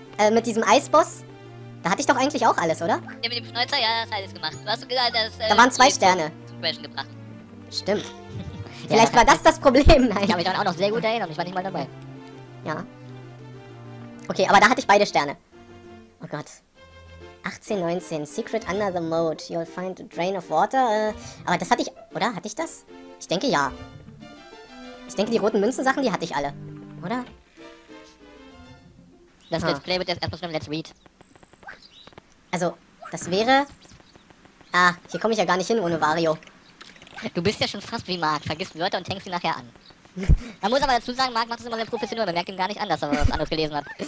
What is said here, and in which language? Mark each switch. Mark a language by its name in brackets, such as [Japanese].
[German] Mit diesem Eisboss? Da hatte ich doch eigentlich auch alles, oder? Ja, mit dem Schnäuzer, ja, hast du alles gemacht. Du hast gesagt, dass... Da waren 2 Sterne. ...zum Crashen gebracht. Stimmt. Vielleicht war das Problem, nein. Ich kann mich dann auch noch sehr gut erinnern, ich war nicht mal dabei. Ja. Okay, aber da hatte ich beide Sterne. Oh Gott. [English] 18, 19, Secret Under the Moat, you'll find a drain of water. [German] Aber das hatte ich, oder? Hatte ich das? Ich denke, ja. Ich denke, die roten Münzensachen, die hatte ich alle. Oder? Das Let's Play wird jetzt erstmal schon Let's Read. Also, das wäre... Ah, hier komme ich ja gar nicht hin ohne Wario. Du bist ja schon fast wie Mark, vergiss Wörter und hängst sie nachher an. Man muss aber dazu sagen, Mark macht das immer sehr professionell, man merkt ihm gar nicht an, dass er was anderes gelesen hat.